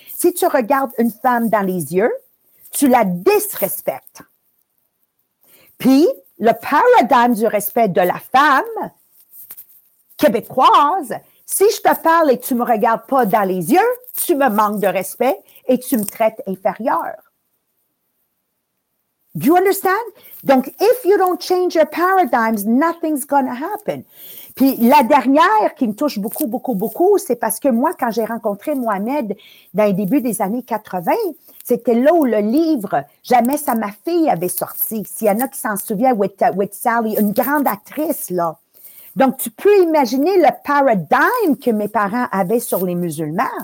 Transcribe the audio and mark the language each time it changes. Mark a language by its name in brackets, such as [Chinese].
[French] Si tu regardes une femme dans les yeux, tu la disrespectes. Puis, le paradigme du respect de la femme québécoise, si je te parle et tu me regardes pas dans les yeux, tu me manques de respect et tu me traites inférieur. [English] Do you understand? Donc, if you don't change your paradigms, nothing's going to happen. [French] Puis, la dernière qui me touche beaucoup, beaucoup, beaucoup, c'est parce que moi, quand j'ai rencontré Mohamed dans les débuts des années 80, c'était là où le livre « Jamais ça, ma fille » avait sorti. S'il y en a qui s'en souvient, with Sally, une grande actrice, là. Donc, tu peux imaginer le paradigme que mes parents avaient sur les musulmans.